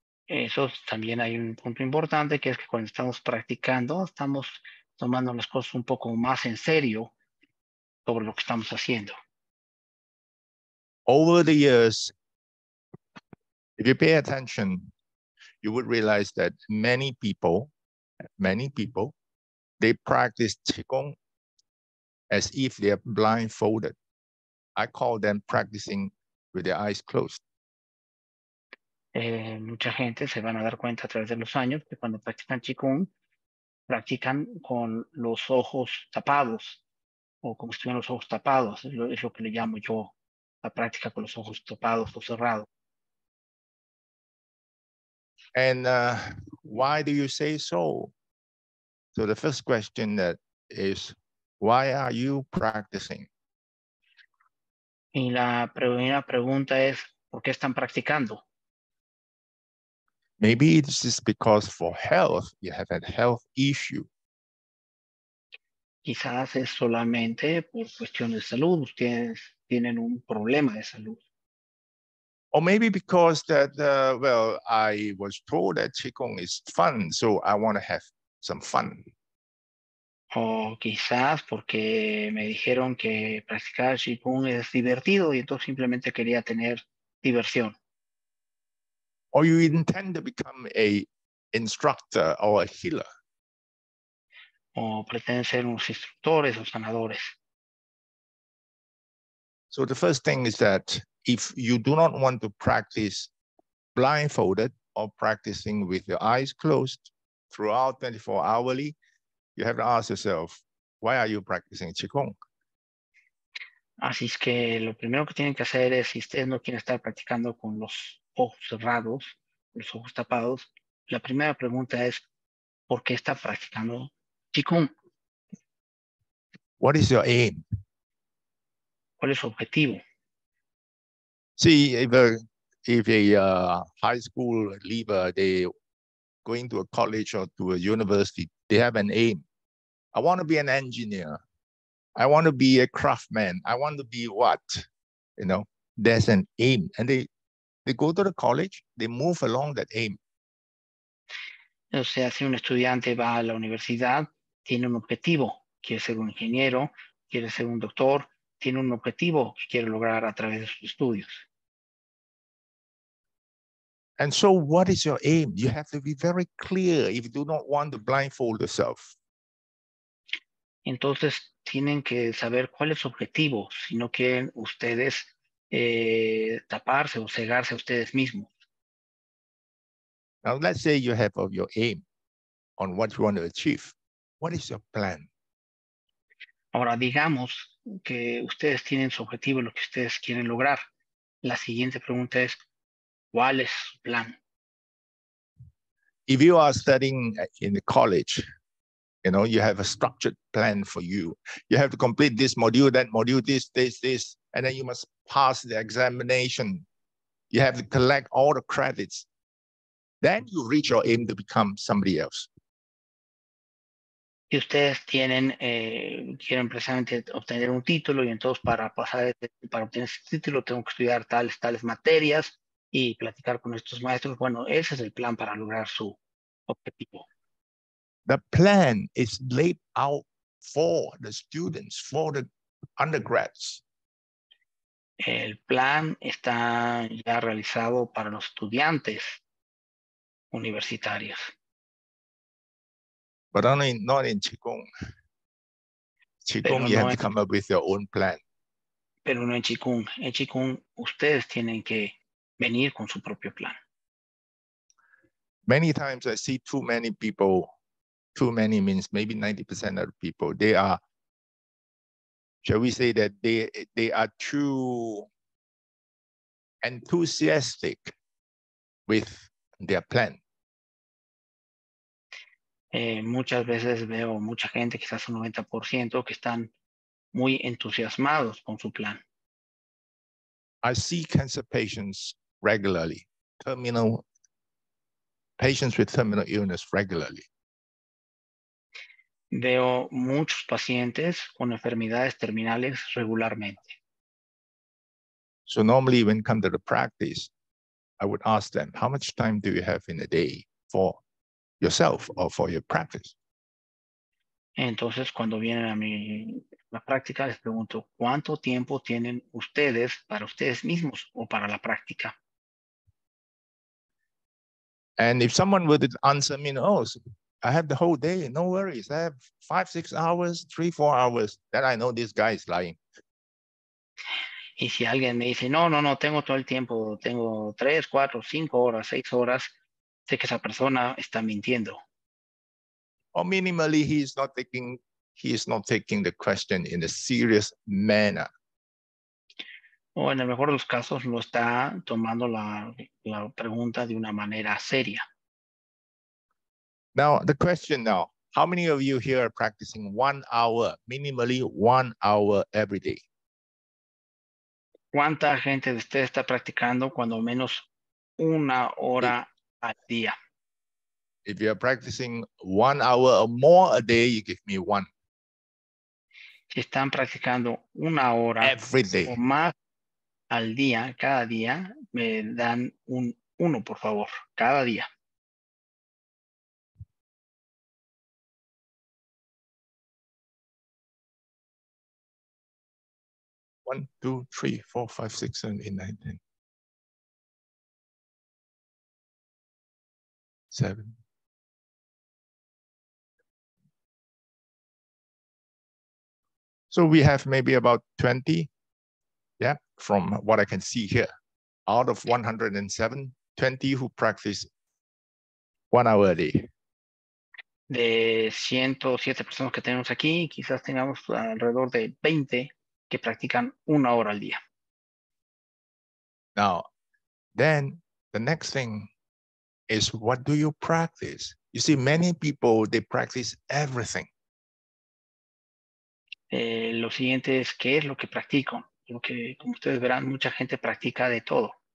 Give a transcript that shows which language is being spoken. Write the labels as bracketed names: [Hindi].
[Spanish] Eso también hay un punto importante, que es que cuando estamos practicando, estamos tomando las cosas un poco más en serio sobre lo que estamos haciendo. [English] Over the years, if you pay attention, you would realize that many people, they practice qigong as if they are blindfolded. I call them practicing with their eyes closed. [Spanish] Mucha gente se van a dar cuenta a través de los años que cuando practican qigong, practican con los ojos tapados, o como si tuvieran los ojos tapados, es lo que le llamo yo la práctica con los ojos tapados o cerrados. [English] And why do you say so? So the first question that is, why are you practicing? [Spanish] Y la primera pregunta es, ¿por qué están practicando? [English] Maybe it is because for health, you have a health issue. [Spanish] Quizás es solamente por cuestión de salud, ustedes tienen un problema de salud. [English] Or maybe because that, I was told that qigong is fun, so I want to have some fun. [Spanish] O quizás porque me dijeron que practicar Qigong es divertido y entonces simplemente quería tener diversión. [English] Or you intend to become a instructor or a healer. [Spanish] O pretenden ser unos instructores o sanadores. [English] So the first thing is that if you do not want to practice blindfolded or practicing with your eyes closed throughout 24 hourly, you have to ask yourself, why are you practicing Qigong? [Spanish] Así es que lo primero que tienen que hacer es, si ustedes no quieren estar practicando con los ojos cerrados, los ojos tapados, la primera pregunta es, ¿por qué está practicando Qigong? [English] What is your aim? [Spanish] ¿Cuál es su objetivo? [English] See, if a high school leaver, they going to a college or to a university, they have an aim. I want to be an engineer. I want to be a craftsman. I want to be what? You know, there's an aim. And they go to the college, they move along that aim. [Spanish] O sea, si un estudiante va a la universidad, tiene un objetivo. Quiere ser un ingeniero, quiere ser un doctor, tiene un objetivo que quiere lograr a través de sus estudios. [English] And so what is your aim? You have to be very clear if you do not want to blindfold yourself. [Spanish] Entonces, tienen que saber cuál es su objetivo, si no quieren ustedes taparse o cegarse a ustedes mismos. [English] Now let's say you have of your aim on what you want to achieve. What is your plan? [Spanish] Ahora digamos que ustedes tienen su objetivo, lo que ustedes quieren lograr. La siguiente pregunta es, ¿cuál es su plan? [English] If you are studying in the college, you know, you have a structured plan for you. You have to complete this module, that module, this, this, this, and then you must pass the examination. You have to collect all the credits. Then you reach your aim to become somebody else. [Spanish] Y ustedes tienen, quieren precisamente obtener un título y entonces para obtener ese título tengo que estudiar tales materias y platicar con estos maestros. Bueno, ese es el plan para lograr su objetivo. [English] The plan is laid out for the students, for the undergrads. [Spanish] El plan está ya realizado para los estudiantes universitarios. [English] But only not in Qigong. Qigong, [Spanish] pero [English] you [Spanish] no [English] have to come up with your own plan. [Spanish] Pero no en Qigong. En Qigong, ustedes tienen que venir con su propio plan. [English] Many times I see too many people, too many means maybe 90% of the people, they are, shall we say that they are too enthusiastic with their plan. [Spanish] Muchas veces veo mucha gente, quizás un 90%, que están muy entusiasmados con su plan. [English] I see cancer patients regularly, terminal patients with terminal illness regularly. [Spanish] Veo muchos pacientes con enfermedades terminales regularmente. [English] So normally when come to the practice, I would ask them, how much time do you have in a day for yourself or for your practice? [Spanish] Entonces, cuando vienen a mi la práctica, les pregunto, ¿cuánto tiempo tienen ustedes para ustedes mismos o para la práctica? [English] And if someone would answer me, oh, I have the whole day, no worries. I have 5, 6 hours, 3, 4 hours, then I know this guy is lying. [Spanish] Y si alguien me dice, no, tengo todo el tiempo, tengo 3, 4, 5 horas, 6 horas, sé que esa persona está mintiendo. [English] Or minimally, he is not taking the question in a serious manner. [Spanish] O en el mejor de los casos, no está tomando la pregunta de una manera seria. [English] Now, the question now, how many of you here are practicing 1 hour, minimally 1 hour every day? [Spanish] ¿Cuánta gente de ustedes está practicando cuando menos una hora al día? [English] If you are practicing 1 hour or more a day, you give me one. [Spanish] Si están practicando una hora [English] every day [Spanish] o más al día, cada día, me dan un uno, por favor, cada día. [English] 1, 2, 3, 4, 5, 6, 7, 8, 9, 10. 7. So we have maybe about 20, yeah, from what I can see here. Out of 107, 20 who practice 1 hour a day. [Spanish] De 107 personas que tenemos aquí, quizás tengamos alrededor de 20 que practican 1 hora al día. [English] Now, then the next thing is, what do you practice? You see, many people, they practice everything. [Spanish] Lo siguiente es, ¿qué es lo que practico? Porque, como ustedes verán, mucha gente practica de todo.